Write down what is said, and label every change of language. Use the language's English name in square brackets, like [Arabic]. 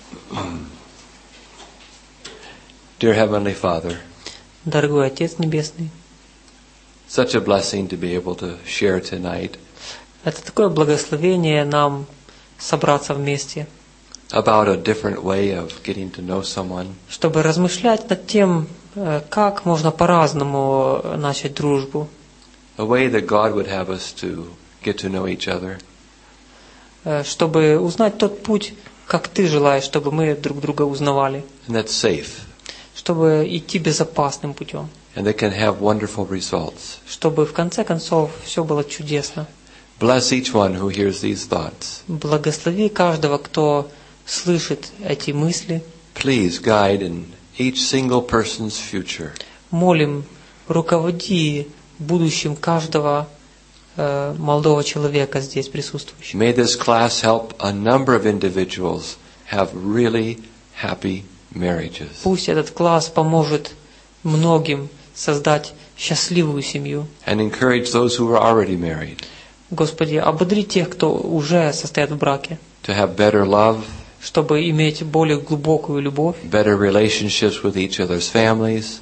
[English] Dear Heavenly Father, [Russian] дорогой Отец Небесный, [English] such a blessing to be able to share tonight. [Russian] Это такое благословение нам собраться вместе. [English] About a different way of getting to know someone. [Russian] Чтобы размышлять над тем, как можно по-разному начать дружбу. [English] A way that God would have us to get to know each other. [Russian] Чтобы узнать тот путь, как Ты желаешь, чтобы мы друг друга узнавали. [English] And that's safe. [Russian] Чтобы идти безопасным путем. [English] And they can have wonderful results. [Russian] Чтобы в конце концов все было чудесно. [English] Bless each one who hears these thoughts. [Russian] Благослови каждого, кто слышит эти мысли. [English] Please guide in each single person's future. [Russian] Молим, руководи будущим каждого молодого человека здесь присутствующего. [English] May this class help a number of individuals have really happy marriages. [Russian] Пусть этот класс поможет многим создать счастливую семью. [English] And encourage those who are already married. [Russian] Господи, ободри тех, кто уже состоит в браке. [English] To have better love. [Russian] Чтобы иметь более глубокую любовь. [English] Better relationships with each other's families.